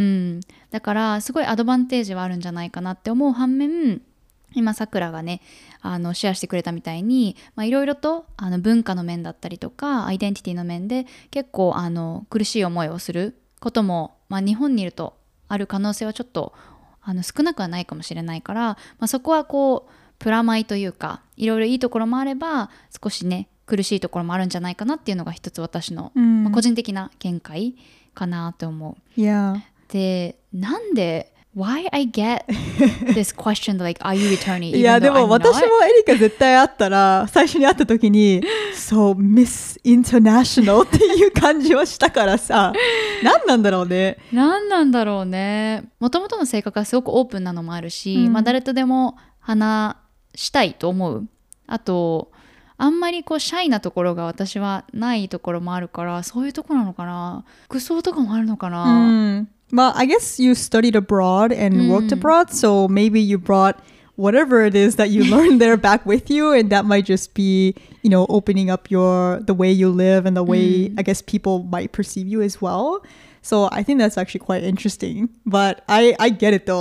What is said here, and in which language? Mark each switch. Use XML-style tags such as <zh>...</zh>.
<ja>うん、だからすごいアドバンテージはあるんじゃないかなって思う反面、今さくらがねシェアしてくれたみたいに、まあ、いろいろと文化の面だったりとかアイデンティティの面で結構苦しい思いをすることも、まあ、日本にいるとある可能性はちょっと少なくはないかもしれないから、まあ、そこはこうプラマイというか、いろいろいいところもあれば少しね苦しいところもあるんじゃないかなっていうのが一つ私の、まあ、個人的な見解かなと思う。</ja> <en>Yeah.</en> <ja>で、なんで</ja> <en>Why I get this question like Are you returning?</en> <ja>いやでも私もエリカ絶対会ったら最初に会った時に</ja> <en>So Miss International</en> <ja>っていう感じはしたからさ、何なんだろうね。何なんだろうね。もともとの性格はすごくオープンなのもあるし、うん、まあ、誰とでも話したいと思う。あと、あんまりこうシャイなところが私はないところもあるから、そういうところなのかな。服装とかもあるのかな。うん、まあ、</ja> <en>I guess you studied abroad and worked abroad,、うん、so maybe you brought... whatever it is that you learn there back with you, and that might just be, you know, opening up your, the way you live and the way, I guess, people might perceive you as well. So I think that's actually quite interesting. But I get it though.</en>